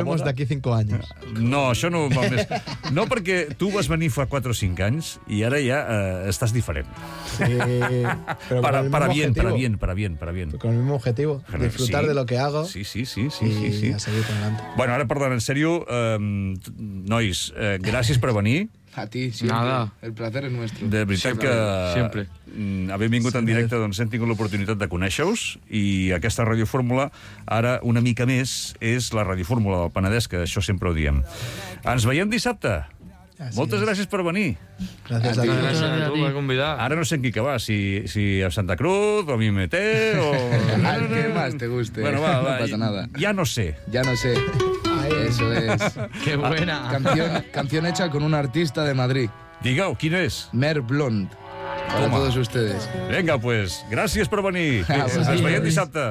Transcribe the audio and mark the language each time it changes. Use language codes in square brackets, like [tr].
[es] ¿Cómo nos vemos [ca] d'aquí 5 anys? No, això no va més. No, perquè tu vas venir fa 4 o 5 anys i ara ja estàs diferent. Sí. [es] Para bien. Con el mismo objetivo, disfrutar de lo que hago. Sí. A seguir con adelante. [ca] Bueno, ara parlant en sèrio, nois, gràcies per venir. [es] A ti, siempre. Nada. El placer es nuestro. [ca] De veritat que... Sempre. Havent vingut en directe, doncs hem tingut l'oportunitat de conèixer-vos i aquesta radiofórmula, ara una mica més, és la radiofórmula del Penedès, que això sempre ho diem. Ens veiem dissabte. Ah, sí, moltes gràcies per venir. Gràcies a tu. Gràcies a tu per convidar. Ara no sé en qui que va, si a Santa Cruz, o a Mimeté, o... [es] Al que más te guste. Bueno, va, va. No pasa nada. Ya no sé. Ya no sé. Eso es. Qué buena. Canción hecha con un artista de Madrid. Digao, ¿quién es? Mer Blond. Para toma. Todos ustedes. Venga, pues, [ca] gràcies per venir. Ens veiem dissabte.